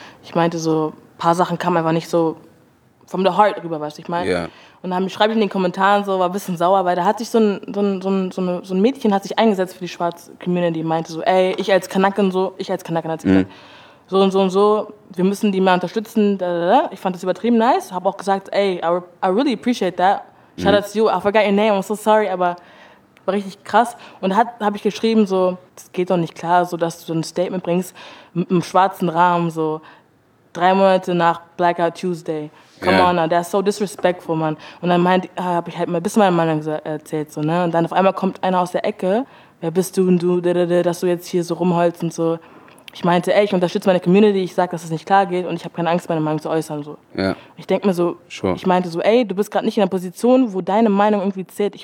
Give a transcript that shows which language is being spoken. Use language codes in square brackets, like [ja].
[de] Ich meinte so, ein paar Sachen kamen einfach nicht so [en] from the heart [de] rüber, weißt du, ich meine. Yeah. Und dann schreibe ich in den Kommentaren so, war ein bisschen sauer, weil da hat sich so ein Mädchen hat sich eingesetzt für die schwarze Community, meinte so, ey, ich als Kanaken hat sie gesagt, so und so und so, wir müssen die mehr unterstützen. Dadada. Ich fand das übertrieben nice. Habe auch gesagt, ey, [en] I really appreciate that. Shout out to you, I forgot your name, I'm so sorry, [de] aber... War richtig krass. Und habe ich geschrieben, so, das geht doch nicht klar, so, dass du so ein Statement bringst mit einem schwarzen Rahmen, so, 3 Monate nach Blackout Tuesday. [en] Come on, now, that's so disrespectful, man. [de] Und dann habe ich halt mal ein bisschen meine Meinung erzählt, so, ne. Und dann auf einmal kommt einer aus der Ecke, wer bist du und du, dass du jetzt hier so rumholst und so. Ich meinte, ey, ich unterstütze meine Community, ich sag, dass es nicht klar geht und ich habe keine Angst, meine Meinung zu äußern. So. Ja. Ich denke mir so, [en] sure. [de] Ich meinte so, ey, du bist gerade nicht in einer Position, wo deine Meinung irgendwie zählt.